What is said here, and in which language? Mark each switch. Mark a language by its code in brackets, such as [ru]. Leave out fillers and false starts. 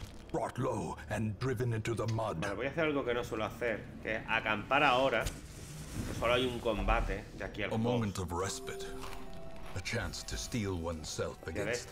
[en] Brought low and driven into the mud. [es] Vale, voy a hacer algo que no suelo hacer, que es acampar ahora. Que solo hay un combate de aquí al [en] boss. A moment of respite. A chance to steel oneself against